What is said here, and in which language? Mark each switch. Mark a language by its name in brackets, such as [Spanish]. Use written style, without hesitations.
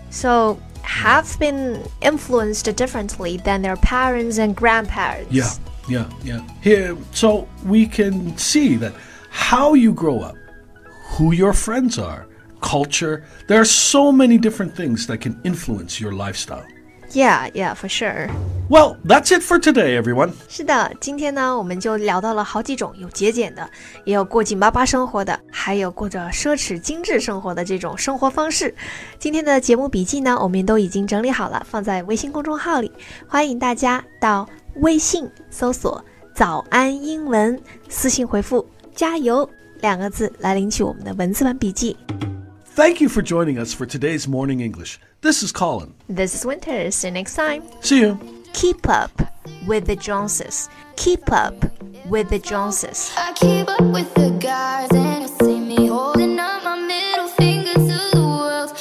[English] SoHave been influenced differently than their parents and grandparents. Yeah. Here, so we can see that how you grow up, who your friends are, culture, there are so many different things that can influence your lifestyle. Yeah, for sure. Well, that's it for today, everyone. [Chinese] 是的，今天呢，我们就聊到了好几种有节俭的，也有过紧巴巴生活的，还有过着奢侈精致生活的这种生活方式。今天的节目笔记呢，我们都已经整理好了，放在微信公众号里，欢迎大家到微信搜索“早安英文”，私信回复“加油”两个字来领取我们的文字版笔记。 [English] Thank you for joining us for today's Morning English. This is Colin. This is Winter. See you next time. See you. Keep up with the Joneses. Keep up with the Joneses. I keep up with the guys and you see me holding up my middle finger to the world.